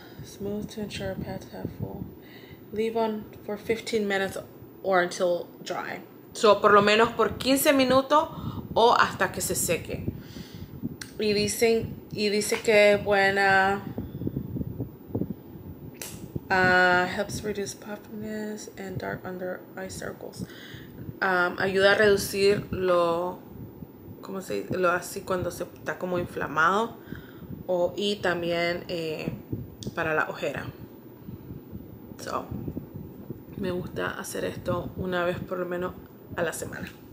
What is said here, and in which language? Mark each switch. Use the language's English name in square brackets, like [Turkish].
[English] Smooth to ensure pads have full. Leave on for 15 minutes or until dry. [Spanish] So, por lo menos por 15 minutos o hasta que se seque. Y dice que buena. [English] Helps reduce puffiness and dark under eye circles. [Spanish] Ayuda a reducir lo. ¿Cómo se dice? Lo así cuando se está como inflamado. Y también para la ojera. So. Me gusta hacer esto una vez por lo menos a la semana.